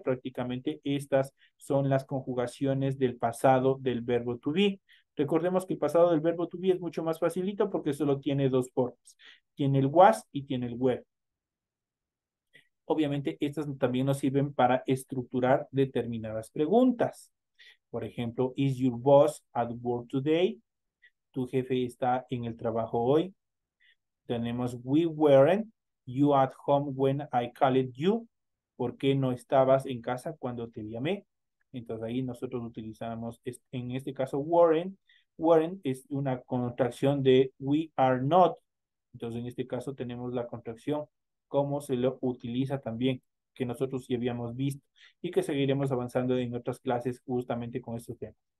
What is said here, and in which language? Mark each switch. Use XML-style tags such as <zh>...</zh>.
<es>Prácticamente estas son las conjugaciones del pasado del verbo to be. Recordemos que el pasado del verbo to be es mucho más facilito porque solo tiene dos formas. Tiene el was y tiene el were. Obviamente, estas también nos sirven para estructurar determinadas preguntas. Por ejemplo,</es> <en>is your boss at work today?</en> <es>¿Tu jefe está en el trabajo hoy? Tenemos,</es> <en>we weren't you at home when I called you.</en> <es>¿Por qué no estabas en casa cuando te llamé? Entonces, ahí nosotros utilizamos, en este caso, weren't. Weren't es una contracción de</es> <en>we are not.</en> <es>Entonces, en este caso, tenemos la contracción. Cómo se lo utiliza también, que nosotros ya habíamos visto y que seguiremos avanzando en otras clases justamente con este tema.</es>